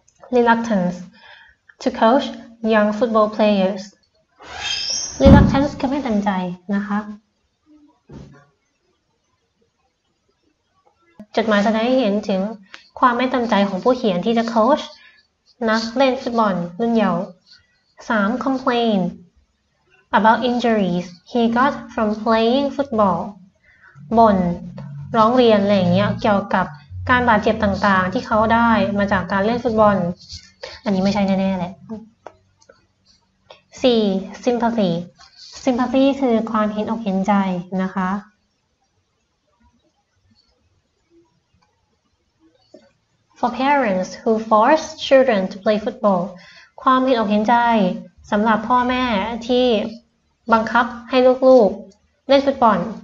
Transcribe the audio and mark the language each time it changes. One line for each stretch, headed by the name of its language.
English: Reluctance to coach young football players.
Thai: Reluctance คือไม่เต็มใจนะคะจดหมายแสดงให้เห็นถึงความไม่เต็มใจของผู้เขียนที่จะโค้ชนักเล่นฟุตบอลรุ่นเยาว์ 3.
English: Complain about injuries he got from playing football.
Thai: บ่นร้องเรียนอะไรอย่างเงี้ยเกี่ยวกับการบาดเจ็บต่างๆที่เขาได้มาจากการเล่นฟุตบอลอันนี้ไม่ใช่แน่ๆแหละ 4. Sympathy Sympathy คือความเห็นอกเห็นใจนะคะ
English: For parents who force children to play football,
Thai: ความเห็นอกเห็นใจสำหรับพ่อแม่ที่บังคับให้ลูกๆเล่นฟุตบอล